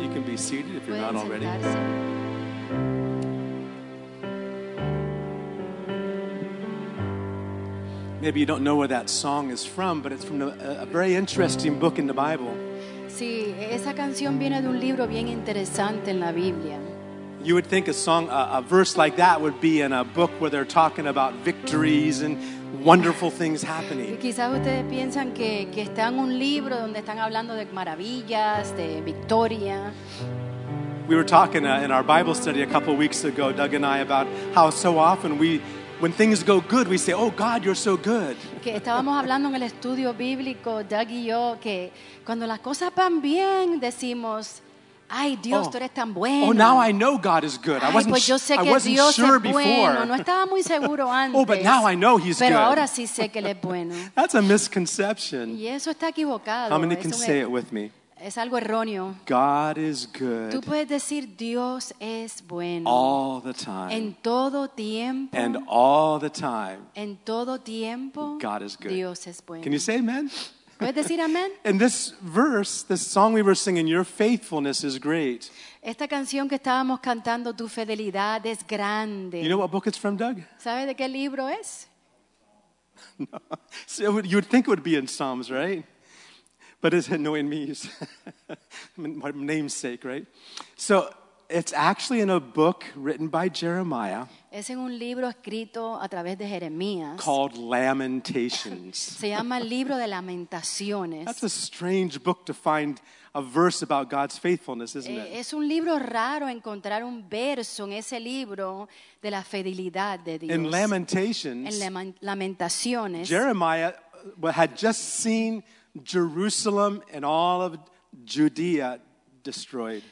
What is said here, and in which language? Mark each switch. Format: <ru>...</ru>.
<en>You can be seated if you're not already. Maybe you don't know where that song is from, but it's from a very interesting book in the Bible.</en> <es>Sí, esa canción viene de un libro bien interesante en la Biblia.</es> <en>You would think a song, a verse like that would be in a book where they're talking about victories and wonderful things happening.</en> <es>Quizás ustedes piensan que está en un libro donde están hablando de maravillas, de victoria.</es> <en>We were talking in our Bible study a couple of weeks ago, Doug and I, about how so often we, when things go good, we say, "Oh God, you're so good."</en> <es>Que estábamos hablando en el estudio bíblico, Doug y yo, que cuando las cosas van bien, decimos, ay, Dios, tú eres tan bueno.</es> <en>Oh, now I know God is good.</en> <es>Ay,</es> <en>I wasn't,</en> <es>pues yo sé que</es> <en>I wasn't</en> <es>Dios</es> <en>sure</en> <es>es bueno. No estaba muy seguro antes.</es> <en>Oh, but now I know he's</en> <es>pero Pero ahora sí sé que él es bueno.</es> <en>That's a misconception.</en> <es>Y eso está equivocado.</es> <en>How many can say it with me?</en> <es>Es algo erróneo.</es> <en>God is good.</en> <es>Tú puedes decir Dios es bueno.</es> <en>All the time.</en> <es>En todo tiempo.</es> <en>And all the time.</en> <es>En todo tiempo.</es> <en>God is good.</en> <es>Dios es bueno.</es> <en>Can you say amen?</en> <es>¿Puedes decir amén?</es> <en>In this verse, this song we were singing, your faithfulness is great.</en> <es>Esta canción que estábamos cantando, tu fidelidad es grande.</es> <en>You know what book it's from, Doug?</en> <es>¿Sabe de qué libro es? No.</es> <en>So you would think it would be in Psalms, right? But it's annoying me. My namesake, right? So it's actually in a book written by Jeremiah.</en> <es>Es en un libro escrito a través de Jeremías.</es> <en>Called Lamentations.</en> <es>Se llama el libro de Lamentaciones.</es> <en>That's a strange book to find a verse about God's faithfulness, isn't it?</en> <es>Es un libro raro encontrar un verso en ese libro de la fidelidad de Dios.</es> <en>In Lamentations.</en> <es>En Lamentaciones.</es> <en>Jeremiah had just seen Jerusalem and all of Judea destroyed.</en>